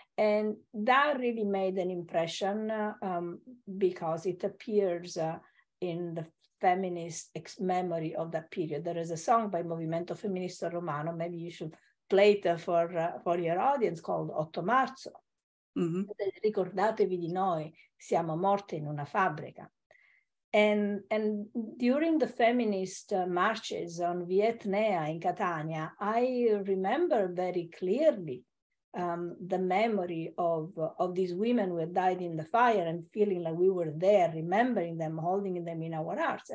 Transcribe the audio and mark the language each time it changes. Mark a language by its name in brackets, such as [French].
[English] And that really made an impression because it appears in the feminist memory of that period. There is a song by Movimento Femminista Romano, maybe you should play it for your audience, called 8 Marzo. Mm-hmm. [Italian] Ricordatevi di noi, siamo morte in una fabbrica. [English] And during the feminist marches on Vietnea in Catania, I remember very clearly the memory of these women who had died in the fire, and feeling like we were there, remembering them, holding them in our hearts.